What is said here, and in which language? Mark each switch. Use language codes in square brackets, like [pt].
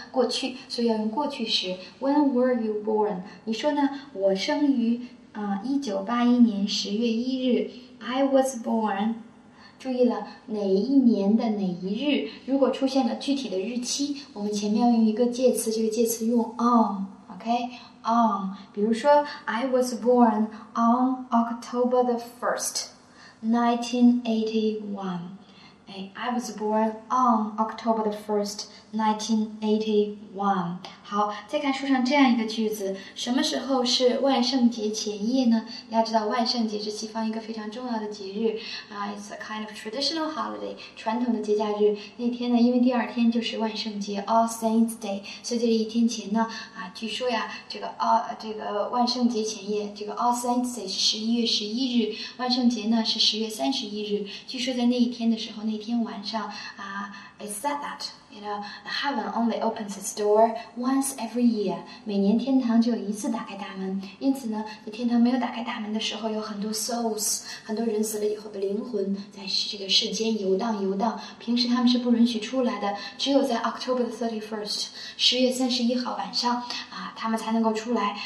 [zh] 过去，所以要用过去时。 [en] When were you born？ [zh] 你说呢？我生于1981年10月1日 ， [en] I was born。 [zh] 注意了，哪一年的哪一日？如果出现了具体的日期，我们前面要用一个介词，这个介词用 on，OK，on。比如说 [en] ，I was born on October the 1st, 1981。哎 ，I was born on October the 1st, 1981。 [zh] 好，再看书上这样一个句子，什么时候是万圣节前夜呢？大家知道万圣节是西方一个非常重要的节日啊、 [en] it's a kind of traditional holiday， [zh] 传统的节假日。那天呢，因为第二天就是万圣节 All Saints Day， 所以就是一天前呢啊，据说呀，这个万圣节前夜，这个 All Saints Day 是11月11日，万圣节呢是10月31日。据说在那一天的时候，那天晚上啊 ， [en] it's said that。 You know, heaven only opens its door once every year. [zh] 每年天堂只有一次打开大门。因此呢，在天堂没有打开大门的时候，有很多 souls， 很多人死了以后的灵魂在这个世间游荡游荡。平时他们是不允许出来的，只有在 [en] October 31st， [zh] 10月31号晚上啊，他们才能够出来。